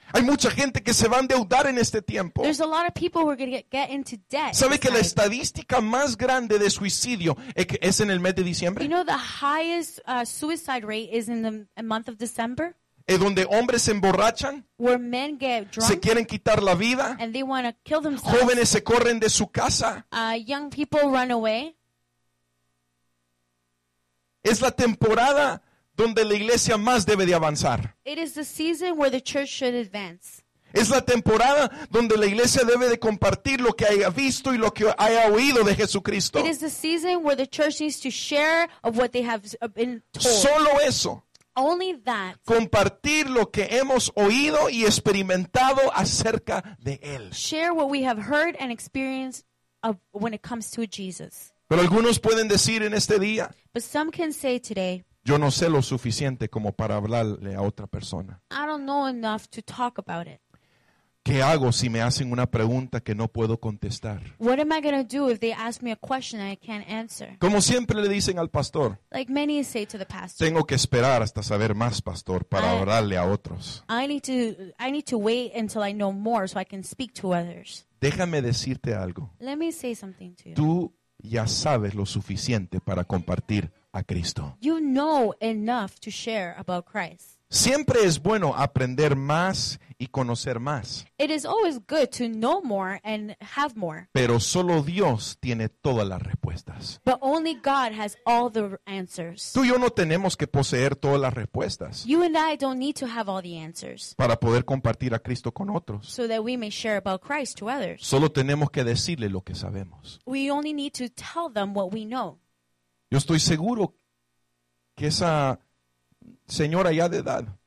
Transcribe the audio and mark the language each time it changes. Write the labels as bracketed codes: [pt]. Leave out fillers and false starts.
[es] Hay mucha gente que se va a endeudar en este tiempo. [en] There's a lot of people who are going to get into debt. [es] ¿Sabe que la estadística más grande de suicidio es en el mes de diciembre? [en] You know the highest suicide rate is in the month of December? [es] Es donde hombres se emborrachan, [en] where men get drunk, [es] se quieren quitar la vida, [en] and they want to kill themselves. [es] Jóvenes se corren de su casa, [en] young people run away. [es] Es la temporada donde la iglesia más debe de avanzar. [en] It is the season where the church should advance. [es] Es la temporada donde la iglesia debe de compartir lo que haya visto y lo que haya oído de Jesucristo. [en] It is the season where the church needs to share of what they have been told. [es] Solo eso. [en] only that. [es] Compartir lo que hemos oído y experimentado acerca de él. [en] Share what we have heard and experienced of when it comes to Jesus. [es] Pero algunos pueden decir en este día, [en] but some can say today, [es] yo no sé lo suficiente como para hablarle a otra persona. [en] I don't know enough to talk about it. [es] ¿Qué hago si me hacen una pregunta que no puedo contestar? [en] What am I going to do if they ask me a question I can't answer? [es] Como siempre le dicen al pastor, [en] like many say to the pastor, [es] tengo que esperar hasta saber más, pastor, para hablarle a otros. [en] I need to wait until I know more so I can speak to others. [es] Déjame decirte algo. [en] Let me say something to you. [es] Tú ya sabes lo suficiente para compartir a Cristo. [en] You know enough to share about Christ. [es] Siempre es bueno aprender más y conocer más. [en] It is always good to know more and have more. [es] Pero solo Dios tiene todas las respuestas. [en] But only God has all the answers. [es] Tú y yo no tenemos que poseer todas las respuestas. [en] You and I don't need to have all the answers. [es] Para poder compartir a Cristo con otros. [en] So that we may share about Christ to others. [es] Solo tenemos que decirle lo que sabemos. [en] We only need to tell them what we know. [es] Yo estoy seguro que esa señora ya de edad,